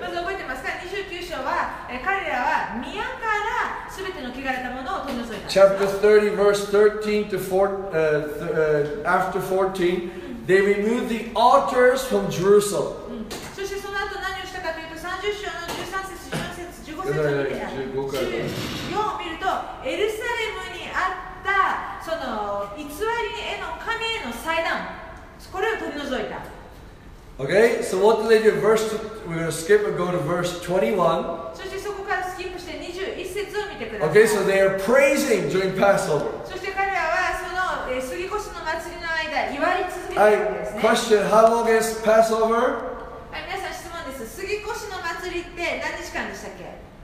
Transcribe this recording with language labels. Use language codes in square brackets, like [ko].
[ja] まず覚えてますか ?29 章は、彼らは宮から全ての汚れたものを取り除いた。 [en] Chapter 30, verse 13 to 14, after 14, they remove the altars from Jerusalem. [ja] そしてその後何をしたかというと、30章の13節、14節、15節を見て、 14 を見ると、エルサレムにあって、その偽りへの神への祭壇、これを取り除いた。 [en] Okay, so what do they do? Verse, we're going to skip and go to verse 21. [ja] そしてそこからスキップして21節を見てください。 [en] Okay, so they are praising during Passover. [ja] そして彼らはその過ぎ越しの祭りの間祝い続けているんですね。 [en] Question, how long is Passover? [ja] はい、皆さん質問です。過ぎ越しの祭りって何日間でしたっけ？